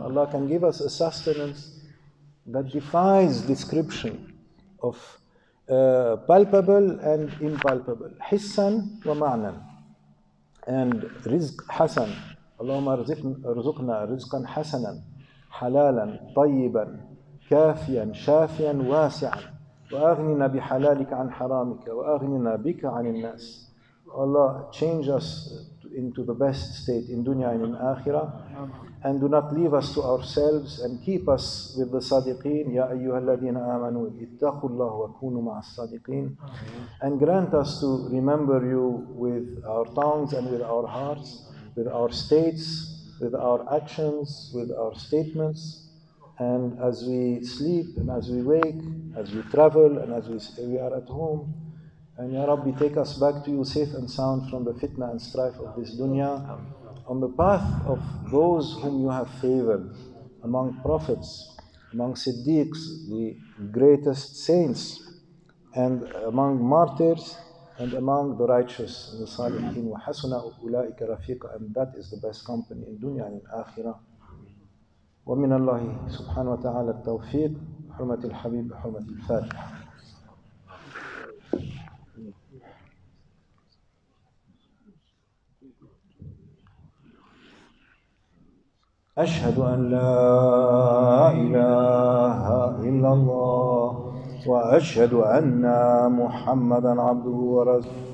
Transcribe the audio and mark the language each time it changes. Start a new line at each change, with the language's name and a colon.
English: Allah can give us a sustenance that defies description of palpable and impalpable.
Arabic: Hissan wa ma'nan. And rizq hasan. Allahumma rizqna rizqan hasanan, halalan, tayyiban, كافيا شافيا واسعا وأغننا بحلالك عن حرامك وأغننا بك عن الناس.
English: Allah, change us into the best state in dunya and in akhirah, and do not leave us to ourselves, and keep us with the sadiqeen.
Arabic: يا أيها الذين آمنوا اتقوا الله وكونوا مع الصادقين.
English: And grant us to remember you with our tongues and with our hearts, with our states, with our actions, with our statements. And as we sleep and as we wake, as we travel and as we are at home, and Ya Rabbi, take us back to you safe and sound from the fitna and strife of this dunya, on the path of those whom you have favored, among prophets, among siddiqs, the greatest saints, and among martyrs, and among the righteous, the salihin,
Arabic: wa hasuna ulaika rafiqa,
English: and that is the best company in dunya and in akhirah.
Arabic: ومن الله سبحانه وتعالى التوفيق حرمة الحبيب حرمة الفاتحة. أشهد أن لا إله إلا الله وأشهد أن محمدا عبده ورسوله